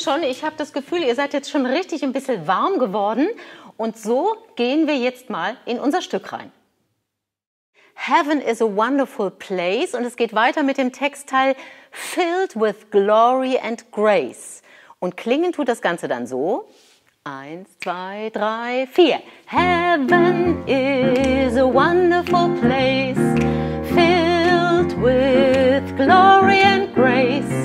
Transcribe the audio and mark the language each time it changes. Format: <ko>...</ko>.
<de>Ich habe das Gefühl, ihr seid jetzt schon richtig ein bisschen warm geworden. Und so gehen wir jetzt mal in unser Stück rein.</de> <en>Heaven is a wonderful place.</en> <de>Und es geht weiter mit dem Textteil</de> <en>Filled with glory and grace.</en> <de>Und klingen tut das Ganze dann so. 1, 2, 3, 4.</de> <en>Heaven is a wonderful place. Filled with glory and grace.</en>